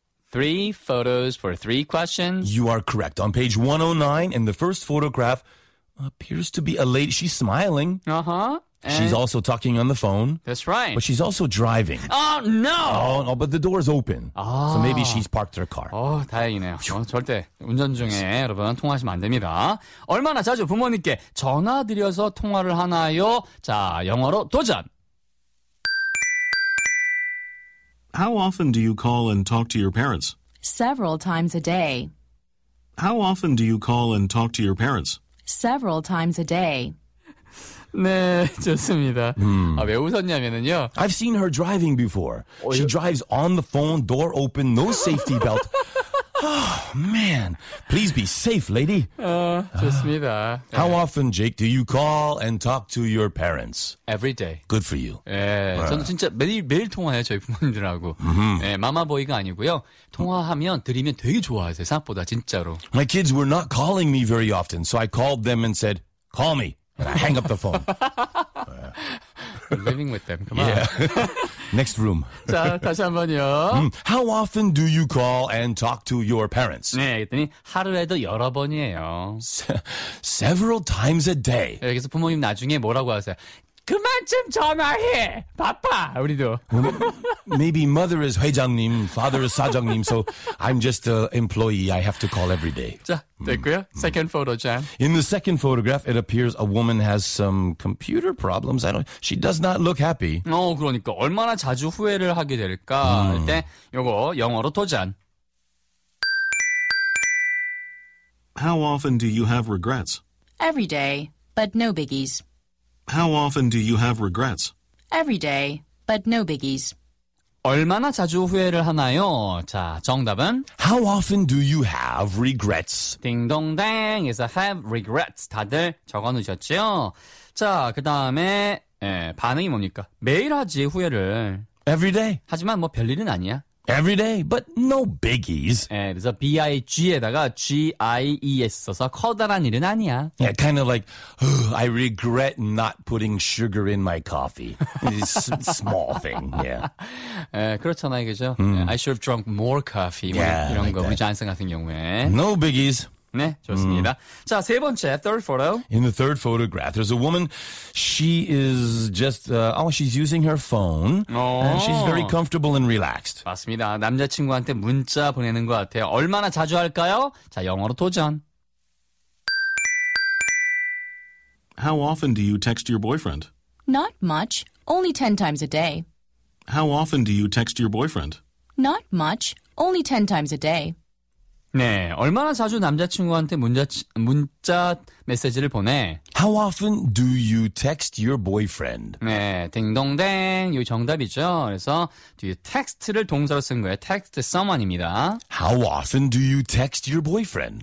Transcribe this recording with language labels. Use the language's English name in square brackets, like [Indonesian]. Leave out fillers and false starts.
[English] 3 photos for 3 questions. You are correct. On page 109 in the first photograph, appears to be a lady. She's smiling. Uh-huh. And she's also talking on the phone. That's right. But she's also driving. Oh, no! Oh, but the door is open. Oh. So maybe she's parked her car. [Korean] Oh, 다행이네요. 절대 운전 중에 여러분 통화하시면 안 됩니다. 얼마나 자주 부모님께 전화 드려서 통화를 하나요? 자, 영어로 도전! [English] How often do you call and talk to your parents? Several times a day. How often do you call and talk to your parents? Several times a day. [Korean] 네, 좋습니다. 아, 왜 웃었냐면요. [English] I've seen her driving before. She drives on the phone, door open, no safety belt. Oh, man. Please be safe, lady. [Korean] 좋습니다. [English] How often, Jake, do you call and talk to your parents? Every day. Good for you. [Korean] 예, 저는 진짜 매일 통화해요, 저희 부모님들하고. Mm-hmm. 예, 마마보이가 아니고요. 통화하면 드리면 되게 좋아하세요, 생각보다, 진짜로. [English] My kids were not calling me very often, so I called them and said, call me. And I hang up the phone. Living with them. Come on. Yeah. Next room. [Korean] 자, 다시 한 번요. [English] How often do you call and talk to your parents? [Korean] 네, 그랬더니 하루에도 여러 번이에요. [English] Several times a day. [Korean] 네, 그래서 부모님 나중에 뭐라고 하세요? 그만 좀 전화해. 바빠, 우리도. [English] Maybe mother is [Korean] 회장님, [English] father is [Korean] 사장님, [English] so I'm just an employee. I have to call every day. [Korean] 자, 됐고요. [English] Second photo, Jan. In the second photograph, it appears a woman has some computer problems. She does not look happy. [Korean] 어, 그러니까 얼마나 자주 후회를 하게 될까 할 때 요거 영어로 도전. [English] How often do you have regrets? Every day, but no biggies. How often do you have regrets? Every day, but no biggies. [Korean] 얼마나 자주 후회를 하나요? 자, 정답은 [English] How often do you have regrets? [Korean] 딩동댕 [English] is a have regrets. [Korean] 다들 적어놓으셨죠? 자, 그 다음에 반응이 뭡니까? 매일 하지, 후회를. [English] Every day. [Korean] 하지만 뭐 별일은 아니야. [English] Every day, but no biggies. [Korean] 예, 그래서 big에다가 gies 써서 커다란 일은 아니야. [English] Yeah, kind of like, I regret not putting sugar in my coffee. It's a small thing, yeah. [Korean] 예, 그렇잖아요, 그죠? [English] I should have drunk more coffee. Yeah, [Korean] 이런 [English] like [Korean] 거, [English] that. [Korean] 우리 자연생 같은 경우에. [English] No biggies. [Korean] 네, 좋습니다. 자, 세 번째, [English] third photo. In the third photograph, there's a woman. She is just, she's using her phone. And she's very comfortable and relaxed. [Korean] 맞습니다. 남자친구한테 문자 보내는 것 같아요. 얼마나 자주 할까요? 자, 영어로 도전. [English] How often do you text your boyfriend? Not much, only 10 times a day. How often do you text your boyfriend? Not much, only 10 times a day. [Korean] 네, 얼마나 자주 남자친구한테 문자 메시지를 보내? [English] How often do you text your boyfriend? [Korean] 네, 딩동댕, 이 정답이죠. 그래서 [English] do you text [Korean] 를 동사로 쓴 거예요. [English] Text someone입니다. How often do you text your boyfriend?